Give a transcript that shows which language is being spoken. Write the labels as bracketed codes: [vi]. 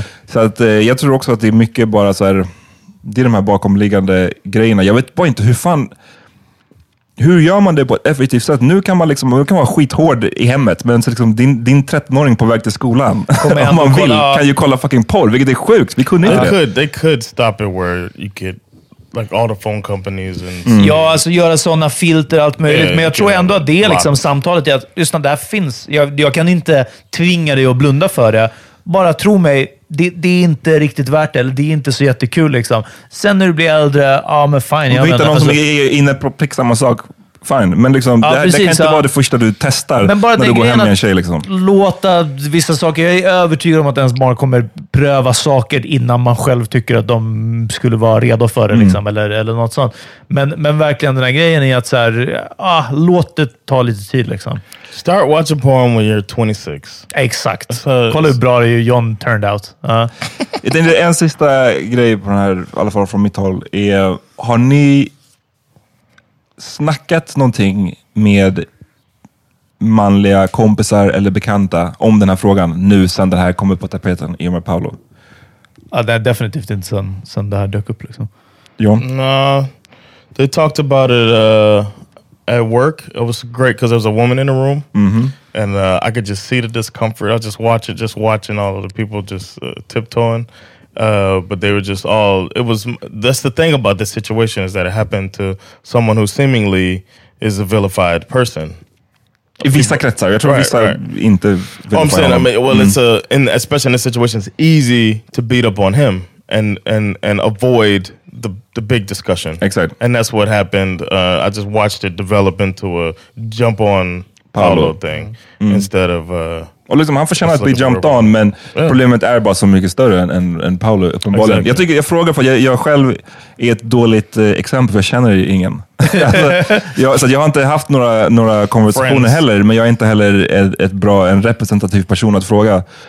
[sv] Så att jag tror också att det är mycket bara så här, det är de här bakomliggande grejerna. Jag vet bara inte hur gör man det på ett effektivt sätt? Nu kan man liksom, man kan vara skithård i hemmet, men så liksom din 13-åring på väg till skolan, om man vill, kan ju kolla fucking porr, vilket är sjukt. Vi kunde inte det. [en] They could stop it where you could, like all the phone companies and... [sv] Ja, alltså göra sådana filter, allt möjligt. Yeah, men jag tror ändå att det liksom samtalet är att, lyssna, det här finns. Jag kan inte tvinga dig att blunda för det. Bara tro mig, det är inte riktigt värt det, eller det är inte så jättekul liksom. Sen när du blir äldre, ja men fine. Om du hittar någon som är inne på prick samma sak, fine. Men liksom, det kan inte vara det första du testar när du går hem med en tjej liksom. Låta vissa saker, jag är övertygad om att ens barn kommer pröva saker innan man själv tycker att de skulle vara redo för det liksom, eller något sånt. Men verkligen den här grejen är att så här, låt det ta lite tid liksom. [en] Start watching porn when you're 26. [sv] Exakt. Kolla hur bra det är John [en] turned out. [sv] En sista grej på den här, i alla fall från mitt håll, är, har ni snackat någonting med manliga kompisar eller bekanta om den här frågan nu sedan det här kommer på tapeten i och med Paolo? Ja, det är definitivt inte sedan det här dök upp liksom. John? [en] No, they talked about it... at work, it was great because there was a woman in the room, and I could just see the discomfort. I was just watching all of the people just tiptoeing, but they were just all. It was, that's the thing about this situation, is that it happened to someone who seemingly is a vilified person. [sv] Vissa kretsar, jag tror vissa inte vilifierar. [en] I'm saying, especially in this situation, it's easy to beat up on him and avoid the big discussion. Exactly. And that's what happened. I just watched it develop into a jump on Paolo thing instead of [sv] Och liksom, han förtjänar att bli [en] jumped on, [sv] men problemet är bara så mycket större än Paolo uppenbarligen. [en] Exactly. [sv] Jag tycker, jag frågar, för jag själv är ett dåligt exempel, för jag känner ju ingen. Alltså, jag har inte haft några konversationer friends heller, men jag är inte heller en representativ person att fråga.